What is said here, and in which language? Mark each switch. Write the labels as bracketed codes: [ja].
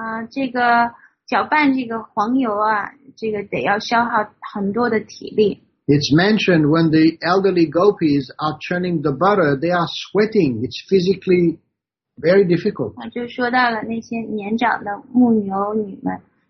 [zh] 这个搅拌这个黄油啊，这个得要消耗很多的体力。 [en] It's mentioned when the elderly gopis are churning the butter, they are sweating. It's physically very difficult. [zh] 就说到了那些年长的牧牛女们。